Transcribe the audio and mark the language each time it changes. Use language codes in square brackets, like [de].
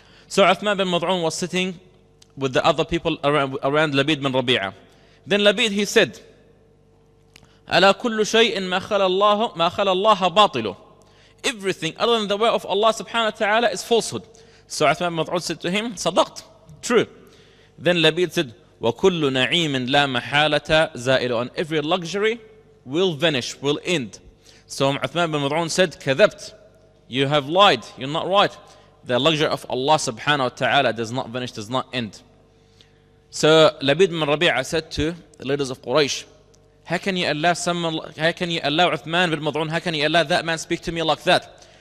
[en] So Uthman bin Mad'un was sitting with the other people around Labid bin Rabi'a. Then Labid, he said, [ar] Ala kullu shay'in ma khala Allah batilu. [en] Everything other than the way of Allah subhanahu wa ta'ala is falsehood. So Uthman bin Mad'un said to him, Sadaqt, true. Then Labid said, [ar] وَكُلُّ نَعِيمٍ لَا مَحَالَةَ زَائِلُ. [en] And every luxury will vanish, will end. So Uthman bin Mad'un said, [ar] كَذَبْت. [en] You have lied, you're not right. The luxury of Allah subhanahu wa ta'ala does not vanish, does not end. So Labid bin Rabi'a said to the leaders of Quraysh, How can you allow Uthman bin Mad'un, how can you allow that man speak to me like that?